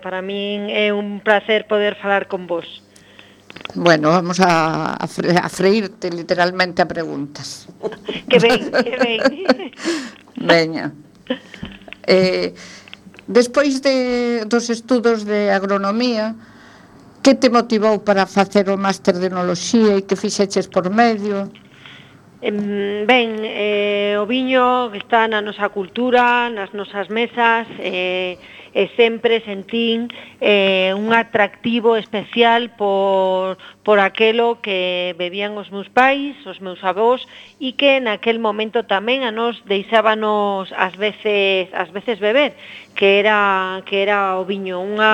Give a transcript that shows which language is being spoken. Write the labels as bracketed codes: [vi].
[gl] Para min é un placer poder falar con vos. [es] Bueno, vamos a freírte literalmente a preguntas. [gl] Que ven, que ven. Veña. Despois de dos estudos de agronomía, que te motivou para facer o máster de enoloxía e que fixeches por medio? Ben, o viño que está na nosa cultura, nas nosas mesas, e sempre sentín un atractivo especial por aquelo que bebían os meus pais, os meus avós, e que en aquel momento tamén a nos deixábanos ás veces beber, que era o viño,